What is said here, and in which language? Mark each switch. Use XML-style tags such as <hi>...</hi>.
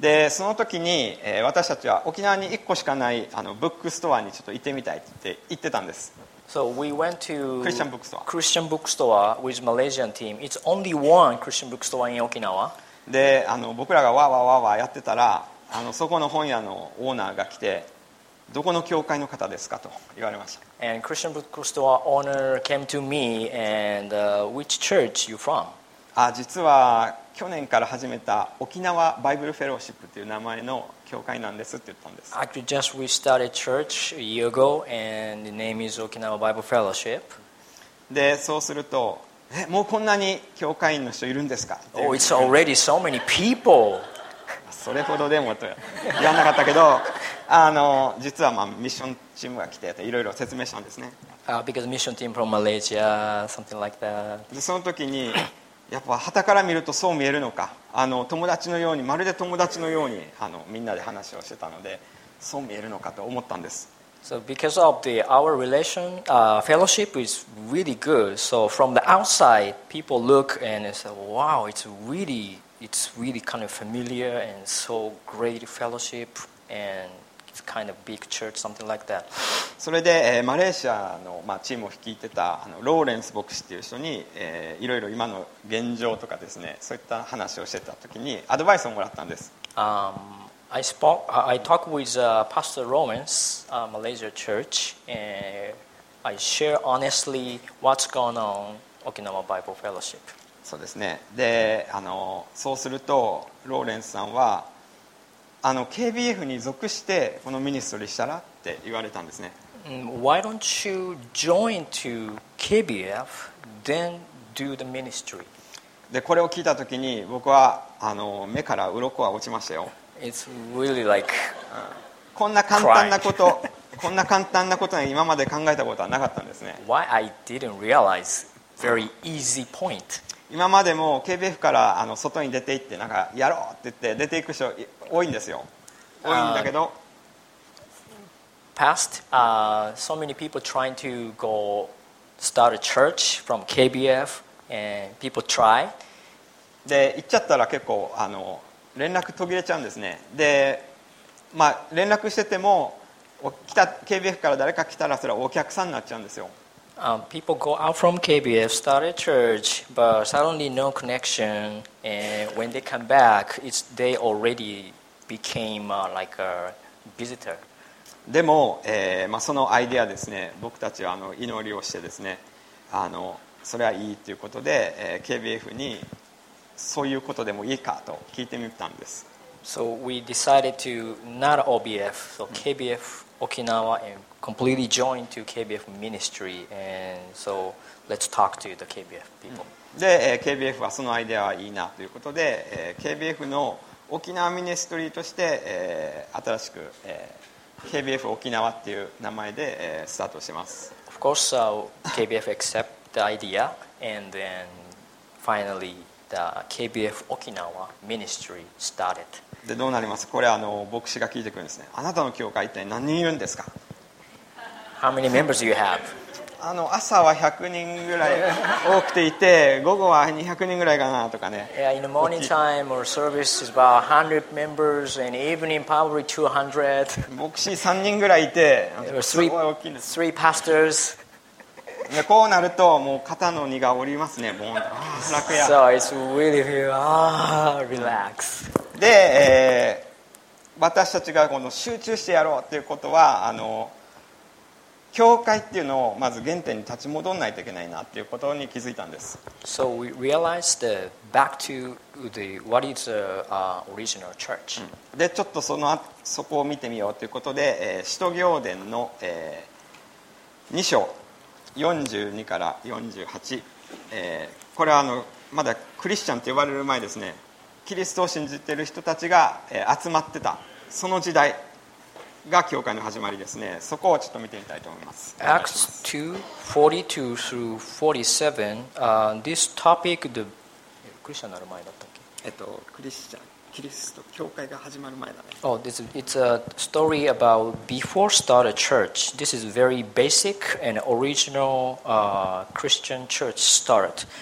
<ja>で、その時に、私たちは沖縄に1個しかないブックストアにちょっと行ってみたいって言ってたんです。</ja> <en>So we went to Christian bookstore. Christian bookstore with Malaysian team. It's only one Christian bookstore in Okinawa.</en> <ja>で、僕らがわーわーわーわーやってたら。そこの本屋のオーナーが来て、どこの教会の方ですかと言われました。</ja> <en>And Christian bookstore owner came to me and which church you from?</en> <ja>実は去年から始めた沖縄バイブルフェローシップという名前の教会なんですって言ったんです。</ja> <en>Actually, just we started church a year ago and the name is Okinawa Bible Fellowship.</en> <ja>で、そうすると、もうこんなに教会員の人いるんですか</ja> <en>Oh, it's already so many people.</en> <ja>それほどでもと言わなかったけど、実は、まあ、ミッションチームが来ていろいろ説明したんですね。</ja> <en>Because mission team from Malaysia, something like that.</en> <ja>でその時にやっぱ旗から見るとそう見えるのか、友達のようにまるで友達のようにみんなで話をしてたので、そう見えるのかと思ったんです。</ja> <en>So because of the our relation, fellowship is really good. So from the outside, people look and say, "Wow, it's really kind of familiar and so great fellowship and it's kind of big church something like that.</en> <ja>それで、マレーシアの、まあ、チームを率いてたローレンス牧師っていう人に、いろいろ今の現状とかですね、そういった話をしてた時にアドバイスをもらったんです。</ja> <en>I talked with Pastor Romans, Malaysia church, and I share honestly what's going on Okinawa Bible Fellowship.</en> <ja>そうですね。で、そうするとローレンスさんはKBF に属してこのミニストリーしたらって言われたんですね。</ja> <en>Why don't you join to KBF then do the ministry?</en> <ja>で、これを聞いたときに僕は目から鱗は落ちましたよ。</ja> <en>It's really like</en> <ja>こんな簡単なこと、こんな簡単なことは今まで考えたことはなかったんですね。</ja> <en>Why I didn't realize very easy point.</en> <ja>今までも KBF から外に出て行ってなんかやろうって言って出ていく人多いんですよ。多いんだけど、</ja> <en>past so many people trying to go start a church from KBF and people try</en> <ja>で行っちゃったら結構連絡途切れちゃうんですね。で、まあ連絡してても来た KBF から誰か来たらそれはお客さんになっちゃうんですよ。</ja> <en>People go out from KBF, start a church, but suddenly no connection. And when they come back, they already became like a visitor.</en> <ja>でも、まあ、そのアイデアですね、僕たちは祈りをしてですね、それはいいということで、KBF にそういうことでもいいかと聞いてみたんです。</ja> <en>So we decided to not OBF, so KBF Okinawa andcompletely joined to KBF ministry and so let's talk to the KBF people.</en> <ja>で、KBF はそのアイデアはいいなということで、KBF の沖縄ミニストリーとして、新しく、KBF 沖縄っていう名前で、スタートします。</ja> <en>Of course, KBF accept the idea, and then finally the KBF Okinawa ministry started.</en> <ja>でどうなります？これあの牧師が聞いてくるんですね。あなたの教会一体何人いるんですか？</ja> <en>How many members do you have?</en> <ja>あの朝は100人ぐらい多くていて、午後は200人ぐらいかなとかね。</ja> <en>Yeah, in the morning time our service is about 100 members, and evening probably 200.</en> <ja>牧師3人ぐらいいて、すごい大きいんです。</ja> <en>Three pastors.</en> <ja>ね、こうなるともう肩の荷が下りますね。もう楽や。</ja> <en>So it's really feel relax.</en> <ja>で、私たちがこの集中してやろうということは、あの教会っていうのをまず原点に立ち戻らないといけないなっていうことに気づいたんです。</ja> <en>So we realized the back to the what is the、original church.、</en> <ja>うん、でちょっとそのそこを見てみようということで、使徒行伝の、2章。 42から48、これはあのまだクリスチャンと呼ばれる前ですね。キリストを信じている人たちが、集まってたその時代が教会の始まりですね。そこをちょっと見てみたいと思います。</ja> <en>Acts 2:42 through 47、this topic the...</en> <ja>クリスチャンになる前だったっけ、クリスチャン、キリスト、教会が始まる前だね。</ja> <en>Oh, this it's a story about before start a church. This is very basic and original Christian church start.</en>